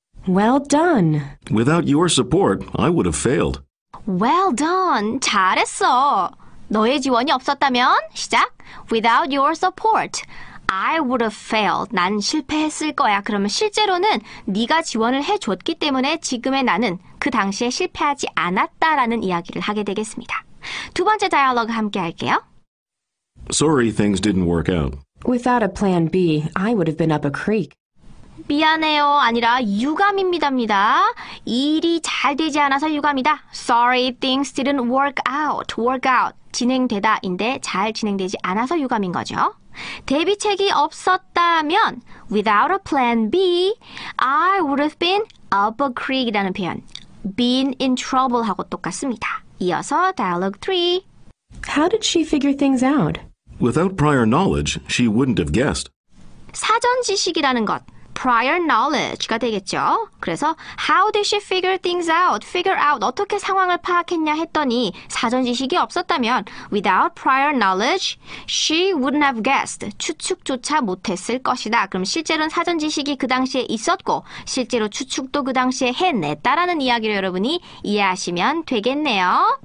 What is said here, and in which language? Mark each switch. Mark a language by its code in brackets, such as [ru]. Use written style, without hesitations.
[en] Well done. Without your support, I would have failed. Well done. [ko] 잘했어. 너의 지원이 없었다면 시작. [en] Without your support, I would have failed. [ko] 난 실패했을 거야. 그러면 실제로는 네가 지원을 해줬기 때문에 지금의 나는 그 당시에 실패하지 않았다라는 이야기를 하게 되겠습니다. 두 번째 다이얼로그 함께 할게요. [en] Sorry, things didn't work out. Without a plan B, I would have been up a creek. [ko] 미안해요. 아니라 유감입니다. 일이 잘 되지 않아서 유감이다. [en] Sorry, things didn't work out. Work out. [ko] 진행되다인데 잘 진행되지 않아서 유감인 거죠. 대비책이 없었다면, [en] without a plan B, I would have been up a creek [ko] 이라는 표현. [en] been in trouble [ko] 하고 똑같습니다. 이어서 dialogue 3. [en] How did she figure things out? Without prior knowledge, she wouldn't have guessed. [ko] 사전 지식이라는 것. prior knowledge가 되겠죠. 그래서 [en] how did she figure things out? figure out [ko] 어떻게 상황을 파악했냐 했더니 사전 지식이 없었다면 [en] without prior knowledge, she wouldn't have guessed. [ko] 추측조차 못했을 것이다. 그럼 실제로는 사전 지식이 그 당시에 있었고 실제로 추측도 그 당시에 해냈다라는 이야기를 여러분이 이해하시면 되겠네요.